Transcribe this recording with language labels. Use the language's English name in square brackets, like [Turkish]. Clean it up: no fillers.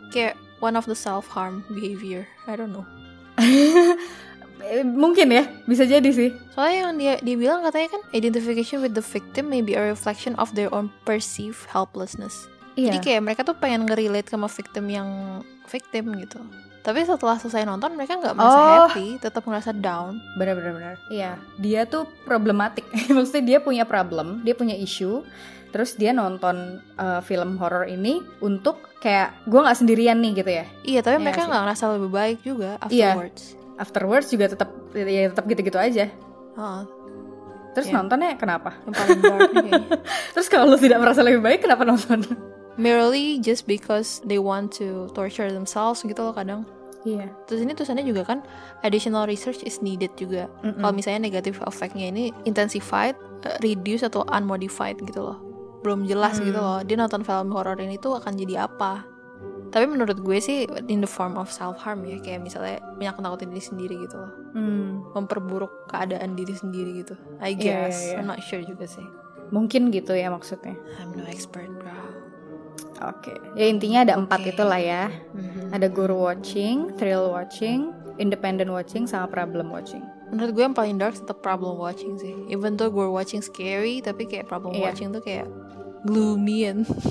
[Indonesian] Kayak [English] one of the self-harm behavior, I don't know. [Indonesian] Mungkin ya, bisa jadi sih. Soalnya yang dia bilang katanya kan, [English] identification with the victim may be a reflection of their own perceived helplessness. [Indonesian] Iya. Jadi kayak mereka tuh pengen nge-relate sama victim yang victim gitu. Tapi setelah selesai nonton mereka gak merasa happy, tetap merasa down. Bener-bener. Iya. Dia tuh problematik. Maksudnya dia punya problem, dia punya issue. Terus dia nonton film horror ini untuk kayak gue gak sendirian nih gitu ya. Iya, tapi mereka gak ngerasa lebih baik juga afterwards. Iya. Afterwards juga tetap ya tetap gitu-gitu aja. Terus nontonnya kenapa? Yang paling dark. Terus kalau lo tidak merasa lebih baik, kenapa nonton? [English] Merely just because they want to torture themselves [Indonesian] gitu loh kadang. Iya. Terus ini tulisannya juga kan, [English] additional research is needed [Indonesian] juga. Kalau misalnya negative effect-nya ini intensified, reduced, atau unmodified gitu loh. Belum jelas gitu loh. Dia nonton film horror ini tuh akan jadi apa. Tapi menurut gue sih, [English] in the form of self-harm [Indonesian] ya. Kayak misalnya menakut-nakutin diri sendiri gitu loh. Memperburuk keadaan diri sendiri gitu. [English] I guess. Yeah. I'm not sure [Indonesian] juga sih. Mungkin gitu ya maksudnya. [English] I'm no expert, bro. [Indonesian] Oke. [English] Okay. [Indonesian] Ya intinya ada empat itulah ya. Ada guru watching, thrill watching, independent watching, sama problem watching. Menurut gue yang paling dark tetap problem watching sih. [English] Even though guru watching scary, [Indonesian] tapi kayak [English] problem watching [Indonesian] tuh kayak [English] gloomy and...